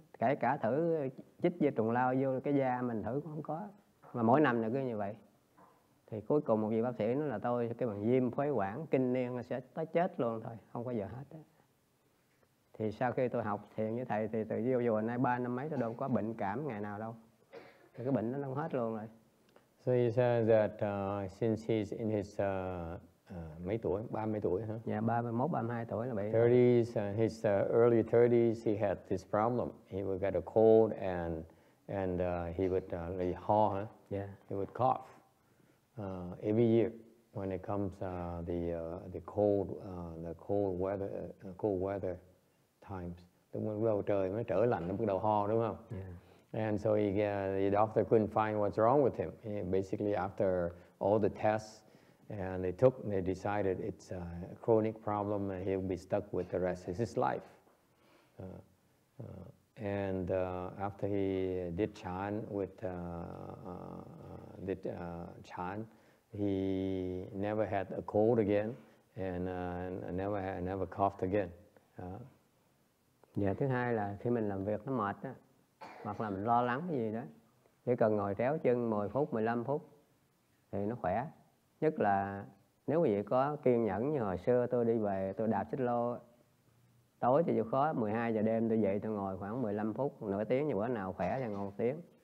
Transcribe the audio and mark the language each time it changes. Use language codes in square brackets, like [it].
[vi] kể cả thử chích dây trùng lao vô cái da mình thử cũng không có, mà mỗi năm là cứ như vậy. Thì cuối cùng một vị bác sĩ nói là tôi cái bằng viêm phế quản kinh niên sẽ tới chết luôn thôi, không có giờ hết đó. Thì sau khi tôi học thiền với thầy thì từ vô vừa nay 3 năm mấy tôi đâu có bệnh cảm ngày nào đâu. Thì cái bệnh nó không hết luôn rồi. [en] So he said that since he's in his [vi] mấy tuổi? 30 tuổi hả? Huh? Yeah, 31, 32 tuổi là bị. [en] 30s, his early 30s he had this problem. He would get a cold and he would really haw, huh? Yeah. He would cough. Every year when it comes the cold weather times, the well [vi] trời mới trở lạnh nó bắt đầu ho đúng không? [en] Yeah. And so he, the doctor couldn't find what's wrong with him. He basically after all the tests and they decided it's a chronic problem and he'll be stuck with the rest of his life. After he did chan with chan, he never had a cold again and never coughed again. [vi] Thứ hai là khi mình làm việc nó mệt á, hoặc là mình lo lắng cái gì đó, chỉ cần ngồi tréo chân 10 phút, 15 phút thì nó khỏe. Nhất là nếu quý vị có kiên nhẫn như hồi xưa tôi đi về, tôi đạp xích lô tối thì chịu khó, 12 giờ đêm tôi dậy tôi ngồi khoảng 15 phút, nửa tiếng, như bữa nào khỏe thì ngồi 1 tiếng.